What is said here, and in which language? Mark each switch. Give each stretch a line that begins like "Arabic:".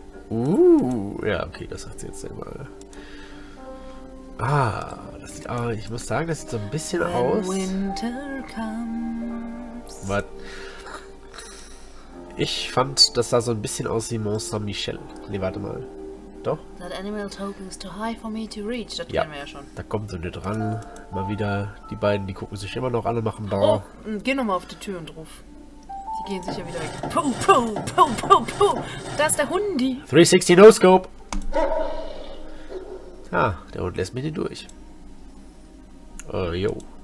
German: Ja, okay, das hat sie jetzt einmal. Ah, das sieht, ah, ich muss sagen, das sieht so ein bisschen
English: When
German: aus.
English: Winter comes. What?
German: Ich fand, das sah so ein bisschen aus wie Mont Saint-Michel. Nee, warte mal. Doch.
English: That animal token is too high for me to reach.
German: Das kennen wir ja schon. Da kommt so eine dran. Mal wieder die beiden, die gucken sich immer noch an und machen Bau. Oh, geh nochmal auf die Tür und ruf. Die gehen sicher wieder weg. Puh, puh, puh, puh, puh. Da ist der Hundi. 360 No-Scope. Ah, der Hund lässt mich den durch. Jo.